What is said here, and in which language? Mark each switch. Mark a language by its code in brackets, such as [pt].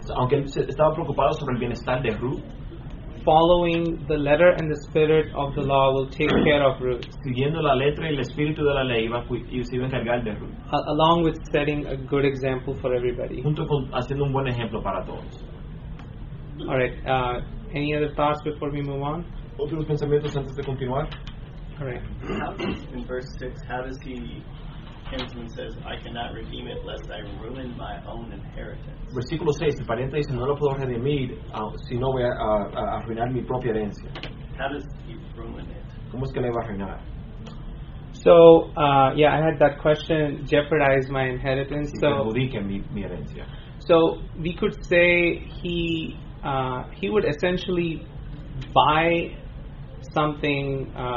[es] aunque estaba preocupado sobre el bienestar de Ruth, [en] following the letter and the spirit of the law will take care of Ruth. [es] Siguiendo la letra y el espíritu de la ley iba y se iba a encargar de Ruth. [en] Along with setting a good example for everybody. [es] Junto con haciendo un buen ejemplo para todos. [en] All right. Any other thoughts before we move on? [es] Otros pensamientos antes de continuar. [en] All right. In verse 6, how does he hinting and says, "I cannot redeem it, lest I ruin my own inheritance." [es] Versículo 6, el pariente dice, "No lo puedo redimir, sino voy a arruinar mi propia herencia." [en] How does he ruin it? [es] ¿Cómo es que le va a arruinar? [en] So, I had that question, jeopardize my inheritance. [es] Y [en] so, [es] perjudique mi herencia. [en] So, we could say he would essentially buy something.